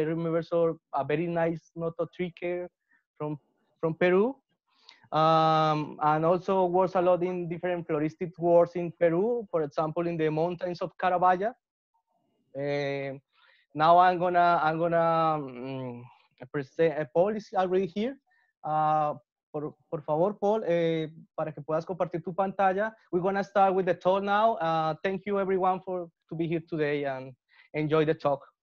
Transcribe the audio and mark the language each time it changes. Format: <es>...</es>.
<en>I remember saw a very nice nototricare from Peru. And also works a lot in different floristic wards in Peru, for example, in the mountains of Caraballa. Now I'm gonna present, Paul is already here.</en> <es>Por favor, Paul, para que puedas compartir tu pantalla.</es> <en>We're gonna start with the talk now. Thank you everyone to be here today and enjoy the talk.</en>